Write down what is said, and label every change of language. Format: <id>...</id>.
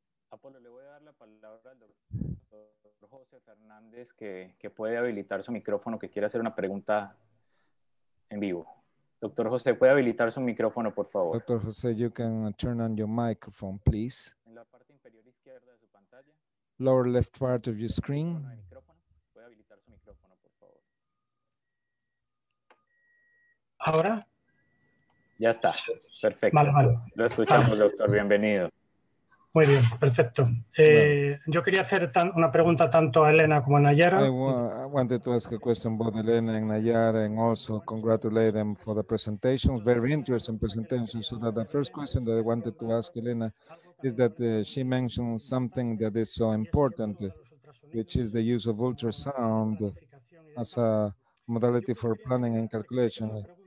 <es>Apolo, le voy a dar la palabra al doctor José Fernández, que puede habilitar su micrófono, que quiere hacer una pregunta en vivo. Doctor José, puede habilitar su micrófono, por favor.</es> <en>Doctor José, you can turn on your microphone, please.</en> <es>En la parte inferior izquierda de su pantalla.</es> <en>Lower left part of your screen.</en> <es>Puede habilitar su micrófono, por favor. Ahora. Ya está, perfecto. Vale. Lo escuchamos, doctor, bienvenido. Muy bien, perfecto. Bueno. Yo quería hacer una pregunta tanto a Elena como a Naiara.</es> <en>I wanted to ask a question both Elena and Naiara, and also congratulate them for the presentation. Very interesting presentation. So that the first question that I wanted to ask Elena is that she mentioned something that is so important, which is the use of ultrasound as a modality for planning and calculation.</en>